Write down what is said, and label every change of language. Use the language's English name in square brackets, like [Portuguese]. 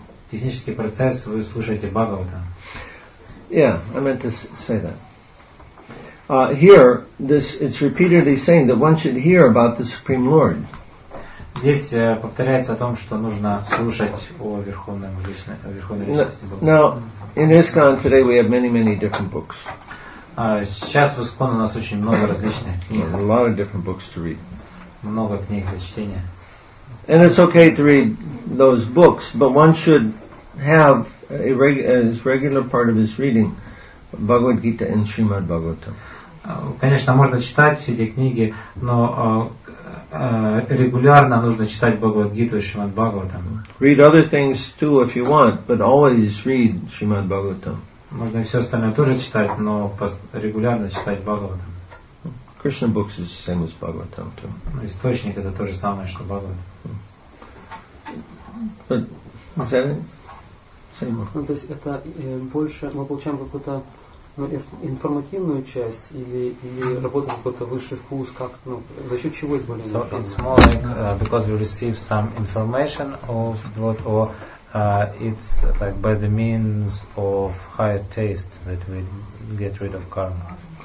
[Russian] Технический процесс, вы слушаете Бхагаватам. [English] Yeah, I meant to say that. Here, this it's repeatedly saying that one should hear about the Supreme Lord. [Russian] Здесь повторяется о том, что нужно слушать о Верховном Личности, Бхагаватам. [English] Now, in ISKCON today we have many, many different books. [Russian] Сейчас в ISKCON у нас очень много различных книг. [English] A lot of different books to read. [Russian] Много книг для чтения. [English] And it's okay to read those books, but one should have as regular part of his reading Bhagavad Gita and Srimad Bhagavatam. [Russian] Конечно, можно читать все эти книги, но регулярно нужно читать Бхагавад Гиту и Шримад Бхагаватам. [English] Read other things too if you want, but always read Шримад Бхагаватам. [Russian] Можно и все остальное тоже читать, но регулярно читать Бхагаватам. [English] Okay. Krishna books is the same as Bhagavatam too. [Russian] Источник это то же самое, что Бхагаватам. [English] Same. [Russian] Ну, то есть это больше мы получаем какую-то информативную часть или работа какой-то высший вкус, как, ну, за счет чего избавление? [English] So it's more like because we receive some information of what, or it's like by the means of higher taste that we get rid of karma.